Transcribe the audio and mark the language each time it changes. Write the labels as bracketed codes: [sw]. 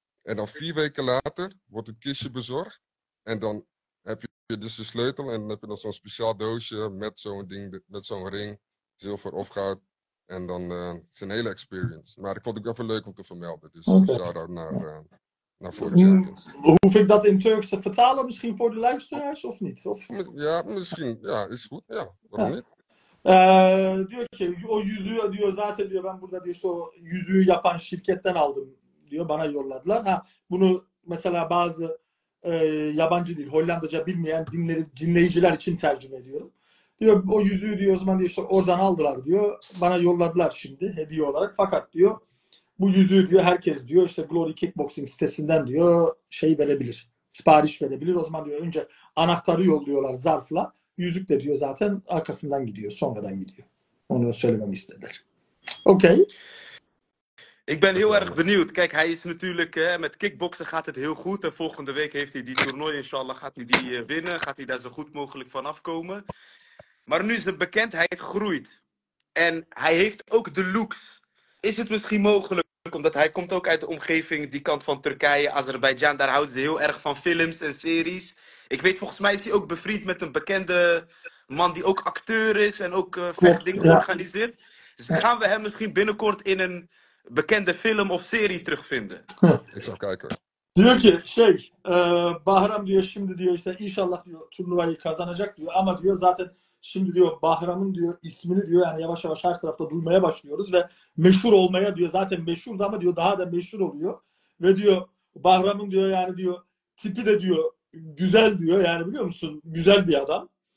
[nl] En dan 4 weken later wordt het kistje bezorgd. En dan heb je dus de sleutel en dan heb je dan zo'n speciaal doosje met zo'n ding, met zo'n ring. Zilver of goud. En dan is een hele experience. Maar ik vond het ook even leuk om te vermelden. Dus okay. Shout-out naar, naar Four Champions. Hoef ik dat in Turks te vertalen misschien voor de luisteraars of niet? Of... Ja, misschien. Ja, is goed. Ja, waarom niet? [tr] Diyor ki, o yüzüğü diyor zaten diyor ben burada diyor işte o yüzüğü yapan şirketten aldım diyor bana yolladılar. Ha, bunu mesela bazı yabancı dil, Hollandaca bilmeyen dinleyiciler için tercüme ediyorum. Diyor o yüzüğü diyor o zaman diyor işte oradan aldılar diyor. Bana yolladılar şimdi hediye olarak. Fakat diyor bu yüzüğü diyor herkes diyor işte Glory Kickboxing sitesinden diyor şey verebilir. Sipariş verebilir. O zaman diyor önce anahtarı yolluyorlar zarfla. Yüzük de diyor zaten arkasından gidiyor. Sonradan gidiyor. Onu söylememi istediler. [en] Okay. [nl] Ik ben heel erg benieuwd. Kijk, hij is natuurlijk met kickboksen gaat het heel goed. En volgende week heeft hij die toernooi. Inshallah gaat hij die winnen. Gaat hij daar zo goed mogelijk van afkomen. Maar nu zijn bekendheid groeit. En hij heeft ook de looks. Is het misschien mogelijk? Omdat hij komt ook uit de omgeving, die kant van Turkije, Azerbeidzjan. Daar houden ze heel erg van films en series. Ik weet, volgens mij is hij ook bevriend met een bekende man die ook acteur is. En ook vechtdingen organiseert. Dus gaan we hem misschien binnenkort in een bekende film of serie terugvinden? Ik zal kijken. [tr] Diyor ki şey, Bahram diyor şimdi diyor işte inşallah diyor turnuvayı kazanacak diyor ama diyor zaten şimdi diyor Bahram'ın diyor ismini diyor yani yavaş yavaş her tarafta duymaya başlıyoruz ve meşhur olmaya diyor zaten meşhurdu ama diyor daha da meşhur oluyor ve diyor Bahram'ın diyor yani diyor tipi de diyor güzel diyor yani biliyor musun güzel bir adam.